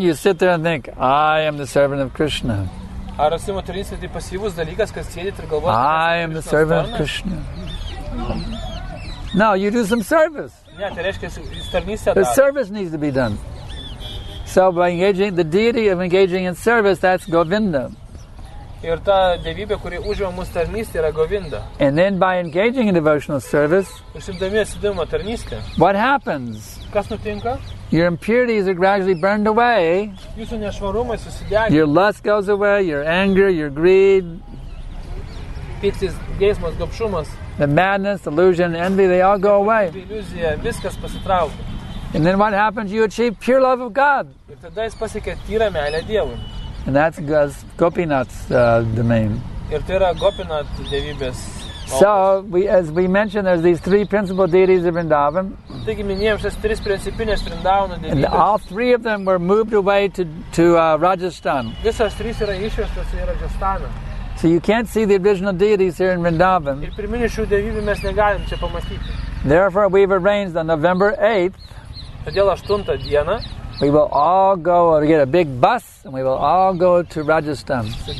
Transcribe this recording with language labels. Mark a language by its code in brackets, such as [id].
[en] You sit there and think, I am the servant of Krishna. I am the servant of Krishna. No, you do some service. The service needs to be done. So by engaging the deity of engaging in service, that's Govinda. [lt] Ir ta dievybė, kuri užima mūsų tarnystę, yra Govinda. [en] And then by engaging in devotional service, what happens? [lt] Kas nutinka? [en] Your impurities are gradually burned away. [lt] Jūsų nešvarumai susidegina. [en] Your lust goes away, your anger, your greed. [lt] Pyktis, geismas, gobšumas. [en] The madness, illusion, envy, they all go away. [lt] Iliuzija, viskas pasitraukia. [en] And then what happens? You achieve pure love of God. [lt] Ir tada jis pasiekia tyrą meilę Dievui. [en] And that's Gopinath's domain. [lt] Ir tai yra Gopinath dievybės. [en] So, as we mentioned, there's these three principal deities of Vrindavan. [lt] Taigi minėjom šias tris principinės Vrindavano dievybės. [en] And all three of them were moved away to Rajasthan. [lt] Visos trys yra išvestos į Rajasthaną. [en] So you can't see the original deities here in Vrindavan. [lt] Ir pirminių šių dievybių mes negalim čia pamatyti. [en] Therefore, we've arranged on November 8th. [lt] Todėl 8 dieną. [en] We will all go or get a big bus and we will all go to Rajasthan.